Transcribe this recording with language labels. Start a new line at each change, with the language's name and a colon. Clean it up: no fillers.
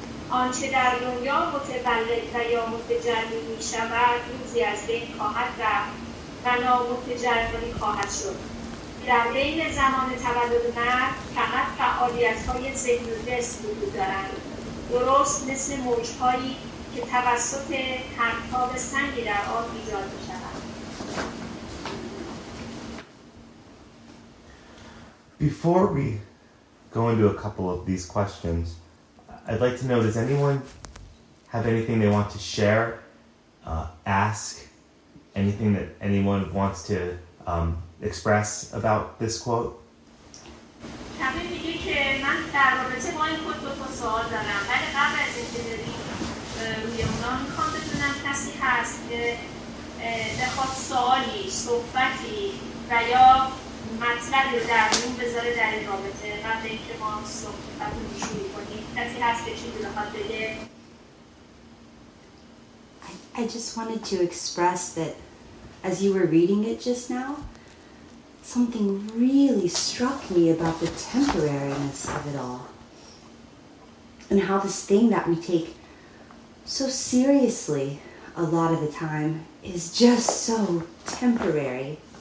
Persian: آنچه در دنیا متولد و یا متجدد می شود روزی از بین خواهد رفت و نامتجددی خواهد شد. در بین زمان تولد مرد فقط فعالیت های ذهن و جسم وجود دارند، درست مثل موج هایی که توسط ترکاب سنگی در آب ایجاد می شود.
English: Before we go into a couple of these questions, I'd like to know, does anyone have anything they want to share, ask, anything that anyone wants to express about this quote? Okay.
Persian: اونا میخوام بدونم کسی هست که بخواد سوالی، صحبتی و یا مطلبی رو در مون بذاره در این رابطه قبل اینکه ما صحبت رو شروع کنیم. کسی هست که چیزی بخواد بگه؟
English: I just wanted to express that as you were reading it just now, something really struck me about the temporariness of it all. And how this thing that we take so seriously a lot of the time is just so temporary.